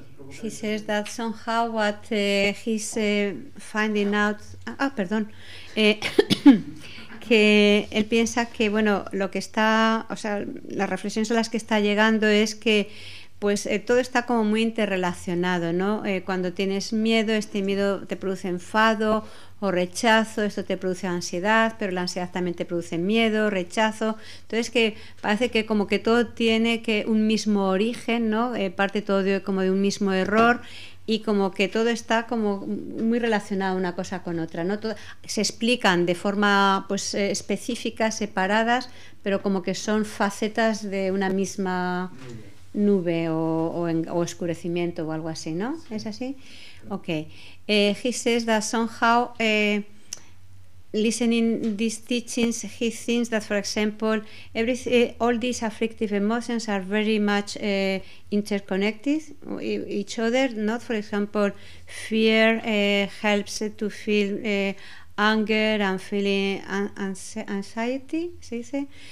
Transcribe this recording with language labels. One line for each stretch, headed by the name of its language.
English: He says that somehow what he's finding out.
Spanish: que él piensa que, bueno, lo que está, o sea, las reflexiones a las que está llegando es que, pues, todo está como muy interrelacionado, ¿no? Cuando tienes miedo, este miedo te produce enfado o rechazo, esto te produce ansiedad, pero la ansiedad también te produce miedo, rechazo. Entonces, que parece que como que todo tiene que un mismo origen, ¿no? Parte todo de un mismo error, y como que todo está como muy relacionado una cosa con otra, ¿no? Todo, se explican de forma, pues, específicas, separadas, pero como que son facetas de una misma nube o oscurecimiento o algo así, ¿no? ¿Es así? Ok.
English: He says that somehow listening these teachings, he thinks that, for example, all these afflictive emotions are very much interconnected each other, not, for example, fear helps to feel anger and feeling anxiety,
Spanish: se dice.